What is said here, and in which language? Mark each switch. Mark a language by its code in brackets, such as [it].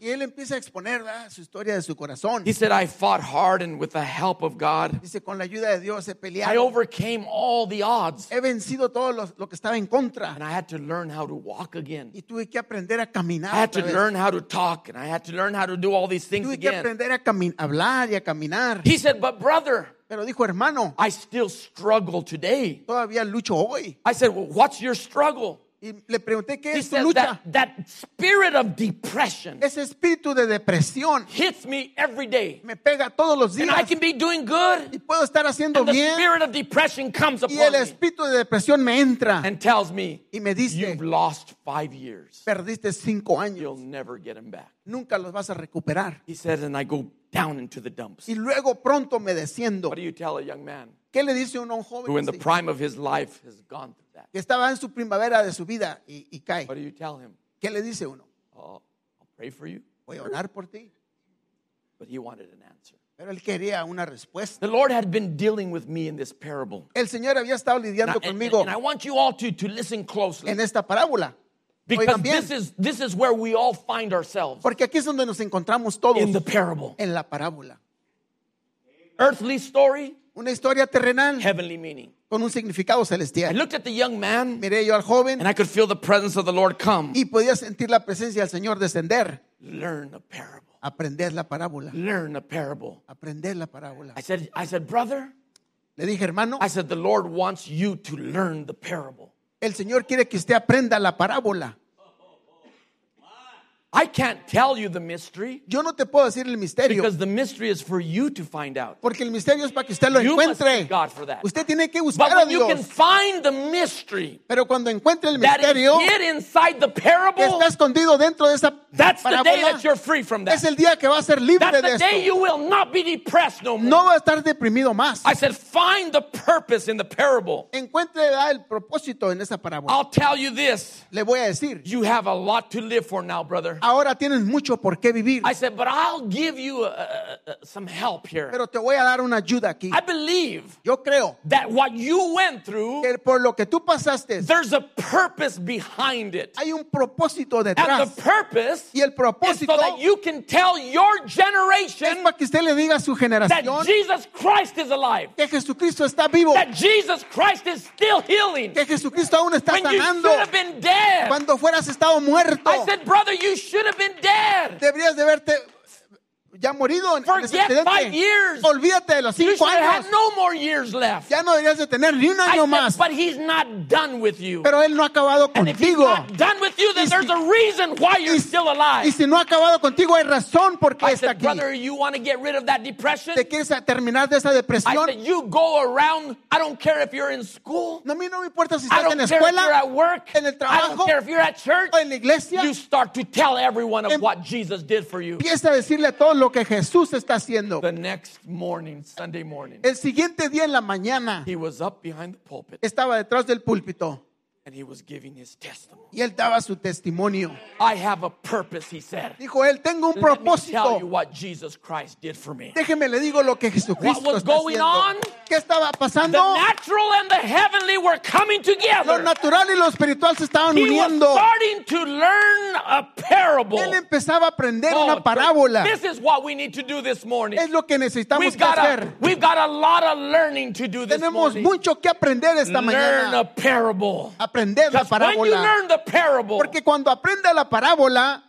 [es] Y él empieza a exponer su historia de su corazón. [en] He said, I fought hard and with the help of God. [es] Dice, con la ayuda de Dios he peleado. [en] I overcame all the odds. [es] He vencido todo lo que estaba en contra. [en] And I had to learn how to walk again. [es] Y tuve que aprender a caminar. [en] I had to learn how to talk and I had to learn how to do all these things [es] tuve [en] again. [es] Tuve que aprender a hablar y a caminar. [en] He said, but brother, [es] pero dijo, hermano, [en] I still struggle today. [es] Todavía lucho hoy. [en] I said, well, what's your struggle? [es] Y le pregunté, ¿qué [en] he [es] es tu lucha? [en] That spirit of depression, [es] ese espíritu de depresión, [en] hits me every day. [es] Me pega todos los días. [en] And I can be doing good, [es] y puedo estar haciendo [en] and [es] bien. [en] The spirit of depression comes upon [es] y el espíritu de depresión me entra. [en] And tells me, [es] y me dice, [en] you've lost 5 years. [es] Perdiste 5 años. [en] You'll never get them back. [es] Nunca los vas a recuperar. [en] He says, and I go down into the dumps. [es] Y luego pronto me desciendo. [en] What do you tell a young man? [es] ¿Qué le dice uno a un joven [en] who in the prime of his life has gone through that? [es] Que estaba en su primavera de su vida y cae. [en] What do you tell him? [es] ¿Qué le dice uno? [en] Oh, I'll pray for you. [es] Voy a orar por ti. [en] But he wanted an answer. [es] Pero él quería una respuesta. [en] The Lord had been dealing with me in this parable. [es] El Señor había estado lidiando conmigo. [en] And I want you all to listen closely. [es] En esta parábola. [en] Because this is where we all find ourselves. [es] Porque aquí es donde nos encontramos todos. [en] In the parable. [es] En la parábola. [en] Earthly story. [es] Una historia terrenal. [en] Heavenly meaning. [es] Con un significado celestial. [en] I looked at the young man. [es] Miré yo al joven. [en] And I could feel the presence of the Lord come. [es] Y podía sentir la presencia del Señor descender. [en] Learn a parable. [es] Aprender la parábola. [en] Learn a parable. [es] Aprender la parábola. [en] I said, brother. [es] Le dije, hermano. [en] I said, the Lord wants you to learn the parable. [es] El Señor quiere que usted aprenda la parábola. [en] I can't tell you the mystery. [es] Yo no te puedo decir el misterio. [en] Because the mystery is for you to find out. [es] Porque el misterio es para que usted lo encuentre. [en] You must God for that. [es] Usted tiene que buscar a Dios. [en] But when you can find the mystery, [es] pero cuando encuentre el misterio, [en] that is hid inside the parable, [es] que está escondido dentro de esa parábola, [en] that's the day that you're free from that. [es] Es el día que va a ser libre de esto. [en] That's the day you will not be depressed no more. [es] No va a estar deprimido más. [en] I said, find the purpose in the parable. [es] Encuentre el propósito en esa parábola. [en] I'll tell you this. [es] Le voy a decir. [en] You have a lot to live for now, brother. [es] Ahora tienes mucho por qué vivir. [en] I said, but I'll give you some help here. [es] Pero te voy a dar una ayuda aquí. [en] I believe. [es] Yo creo. [en] That what you went through. [es] Que por lo que tú pasaste. [en] There's a purpose behind it. [es] Hay un propósito detrás. [en] And the purpose. [es] Y el propósito. [en] Is so that you can tell your generation. [es] Es para que usted le diga a su generación. [en] That Jesus Christ is alive. [es] Que Jesucristo está vivo. [en] That Jesus Christ is still healing. [es] Que Jesucristo aún está [en] when [es] sanando. [en] You should have been dead. [es] Cuando fueras estado muerto. [en] I said, brother, you should have been dead. [es] Deberías de verte ya morido en ese accidente. [en] Forget 5 years. [es] Olvídate de los 5 años. [en] You should have had no more years left. [es] Ya no deberías de tener ni un año más. [en] But he's not done with you. [es] Pero él no ha acabado contigo. [en] And if he's not done with you, then there's a reason why you're still alive. [es] Y si no ha acabado contigo, hay razón por qué está aquí. [en] Brother, you want to get rid of that depression? [es] ¿Te quieres terminar de esa depresión? [en] I said, you go around. I don't care if you're in school. [es] No, a mí no me importa si estás en la escuela. [en] I don't care if you're at work. [es] En el trabajo. [en] I don't care if you're at church. [es] O en la iglesia. [en] You start to tell everyone of what Jesus did for you. [es] Empieza a decirle a todos lo que Jesús está haciendo. [en] The next morning, Sunday morning, [es] el siguiente día en la mañana, [en] he was up behind the pulpit, [es] estaba detrás del púlpito, [en] and he was giving his testimony. [es] Y él daba su testimonio. [en] I have a purpose, he said. [es] Dijo él, tengo un propósito. [en] Let me tell you what Jesus Christ did for me. [es] Déjeme le digo lo que Jesucristo está haciendo. [en] What was going on? [es] ¿Qué estaba pasando? [en] The natural and the heavenly were coming together. [es] Lo natural y lo espiritual se estaban [en] he [es] uniendo. [en] He was starting to learn a parable. [es] Él empezaba a aprender una parábola. [en] This is what we need to do this morning. [es] Es lo que necesitamos [en] we've got [es] hacer. [en] We've got a lot of learning to do this [es] tenemos [en] morning. [es] Tenemos mucho que aprender esta [en] learn [es] mañana. [en] Learn a parable. [es] Aprender la parábola. [en] When you learn the parable, [es] porque cuando aprenda la parábola,